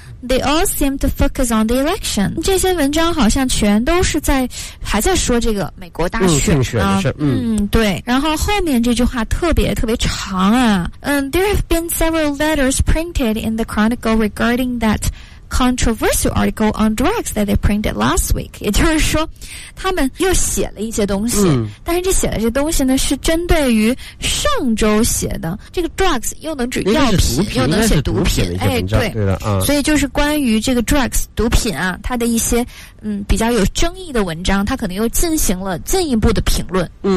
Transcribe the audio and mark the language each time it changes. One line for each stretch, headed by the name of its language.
English: They all seem to focus on the election.
Chinese: 这些文章好像全都是在还在说这个美国大选、对。然后后面这句话特别特别长啊。
English: There have been several letters printed in the Chronicle regarding that controversial article on drugs that they printed last week.
Chinese: 也就是说他们又写了一些东西、但是这写的这东西呢是针对于上周写的这个 drugs 又能指药品又能写毒品的一些文章、所以就是关于这个 drugs 毒品啊它的一些比较有争议的文章它可能又进行了进一步的评论。